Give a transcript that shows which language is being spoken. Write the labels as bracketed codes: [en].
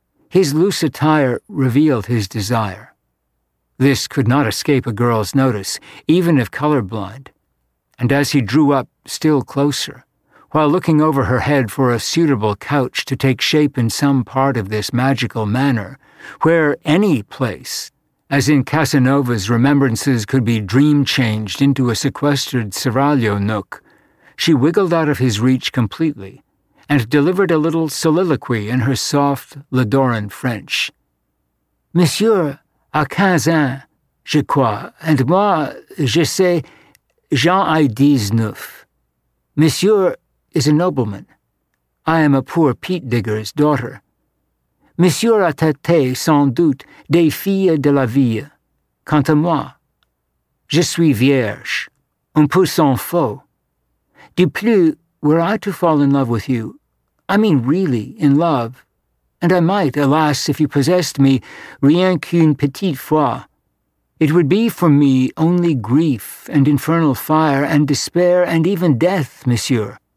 [en] His loose attire revealed his desire. This could not escape a girl's notice, even if colorblind, and as he drew up still closer, while looking over her head for a suitable couch to take shape in some part of this magical manor, where any place, as in Casanova's remembrances, could be dream-changed into a sequestered seraglio nook, she wiggled out of his reach completely and delivered a little soliloquy in her soft, Ladoran French. [fr] Monsieur a 15 ans, je crois, [en] and [fr] moi, je sais, j'en ai 19. [en] Monsieur is a nobleman. I am a poor peat digger's daughter. [fr] Monsieur a tâté, sans doute, des filles de la ville. Quant à moi, je suis vierge, un peu sans faux. De plus, [en] were I to fall in love with you, I mean really in love, and I might, alas, if you possessed me, [fr] rien qu'une petite fois, [en] it would be for me only grief and infernal fire and despair and even death, monsieur.